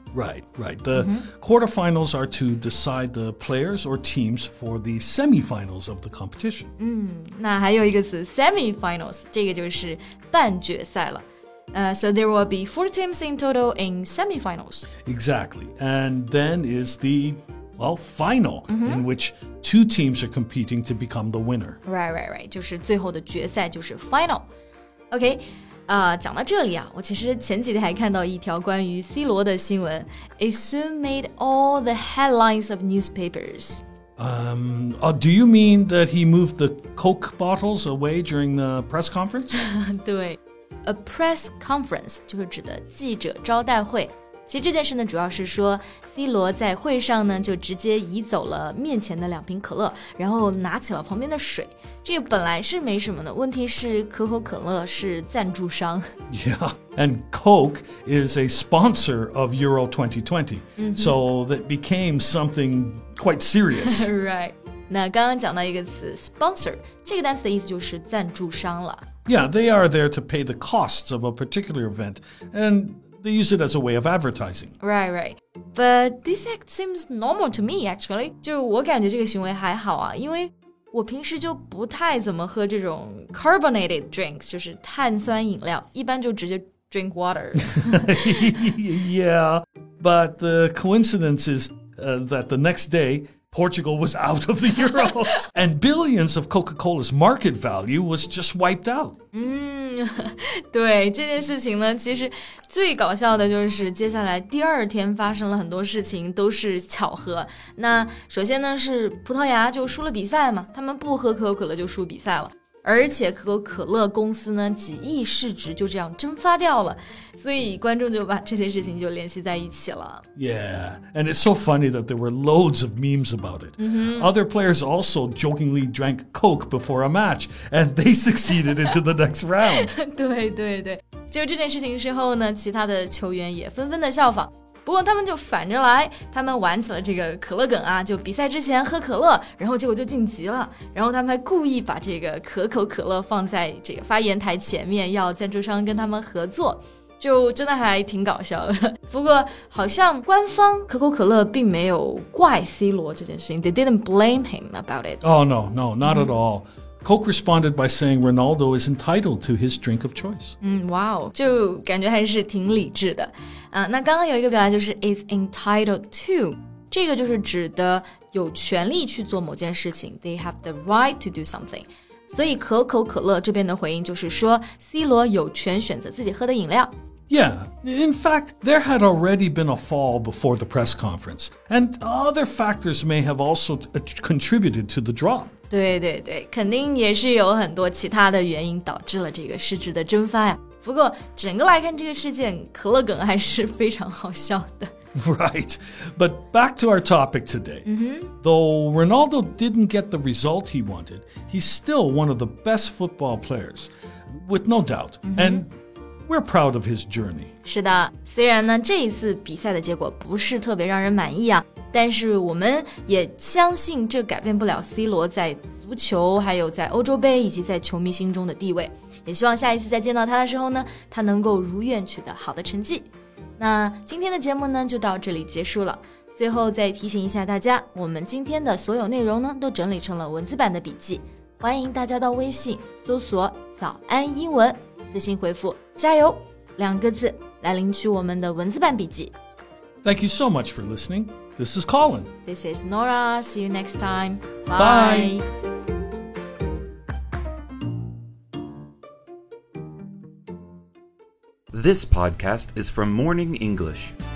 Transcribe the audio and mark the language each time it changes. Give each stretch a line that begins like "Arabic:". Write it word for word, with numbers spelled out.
English: Right, right. The mm-hmm. quarterfinals are to decide the players or teams for the semifinals of the competition.
Chinese: 嗯，那还有一个词 semifinals， 这个就是半决赛了。
English: Uh, so there will be four teams in total in semifinals. Exactly. And then is the, well, final, mm-hmm. in which two teams are competing to become the winner. Right, right, right.
Chinese: 就是最后的决赛就是 final. Okay. Uh, 讲到这里啊，我其实前几天还看到一条关于 C 罗的新闻
English: It soon made all the headlines of newspapers. Um, uh, do you mean that he moved the Coke bottles away during the press conference?
Chinese: 对 A press conference 就是指的记者招待会。其实这件事呢，主要是说 C 罗在会上呢就直接移走了面前的两瓶可乐，然后拿起了旁边的水。这个本来是没什么的，问题是可口可乐是赞助商。
English: Yeah, and Coke is a sponsor of Euro twenty twenty, mm-hmm. so that became something quite serious. Right.
Chinese: 那刚刚讲到一个词 sponsor， 这个单词的意思就是赞助商了。
English: Yeah, they are there to pay the costs of a particular event, and they use it as a way of advertising. Right, right. But this act seems normal to me, actually.
Chinese: 就我感觉这个行为还好啊，因为我平时就不太怎么喝这种 carbonated drinks, 就是碳酸饮料，一般就直接
English: drink water. Yeah, but the coincidence is, uh, that the next day, Portugal was out of the Euros, and billions of Coca-Cola's market value was just wiped out.
Chinese: 嗯，对，这件事情呢，其实最搞笑的就是接下来第二天发生了很多事情，都是巧合。那首先呢，是葡萄牙就输了比赛嘛，他们不喝可口可乐就输比赛了。而且可口可乐公司呢几亿市值就这样蒸发掉了，所以观众就把这些事情就联系在一起了。
English: Yeah, and it's so funny that there were loads of memes about it. Mm-hmm. Other players also jokingly drank Coke before a match, and they succeeded into the next round.
Chinese: 对对对，就这件事情之后呢，其他的球员也纷纷的效仿。不过他们就反着来，他们玩起了这个可乐梗啊，就比赛之前喝可乐，然后结果就晋级了，然后他们还故意把这个可口可乐放在这个发言台前面，要赞助商跟他们合作，就真的还挺搞笑的。不过好像官方可口可乐并没有怪 C 罗这件事情
English: They didn't blame him about it. Oh no, no, not at all. Coke responded by saying Ronaldo is entitled to his drink of choice.
Chinese: 嗯，哇哦，就感觉还是挺理智的。啊，那刚刚有一个表达就是 is entitled to， 这个就是指的有权利去做某件事情 ，
English: they have the right to do something。
Chinese: 所以可口可乐这边的回应就是说 ，C 罗有权选择自己喝的饮料。
English: Yeah, in fact, there had already been a fall before the press conference, and other factors may have also contributed to the drop.
Chinese: 对对对，肯定也是有很多其他的原因导致了这个市值的蒸发呀。不过整个来看这个事件，可乐梗还是非常好笑的。
English: Right, but back to our topic today. Mm-hmm. Though Ronaldo didn't get the result he wanted, he's still one of the best football players, with no doubt. Mm-hmm. And we're proud of his journey.
Chinese: 是的，虽然呢这一次比赛的结果不是特别让人满意啊，但是我们也相信这改变不了 C 罗在足球还有在欧洲杯以及在球迷心中的地位。也希望下一次再见到他的时候呢，他能够如愿取得好的成绩。那今天的节目呢，就到这里结束了。最后再提醒一下大家，我们今天的所有内容呢，都整理成了文字版的笔记。欢迎大家到微信搜索早安英文，私信回复加油两个字来领取我们的文字版笔记。
English: Thank you so much for listening. This is Colin. This is Nora. See you next time. Bye. Bye. This podcast is from Morning English.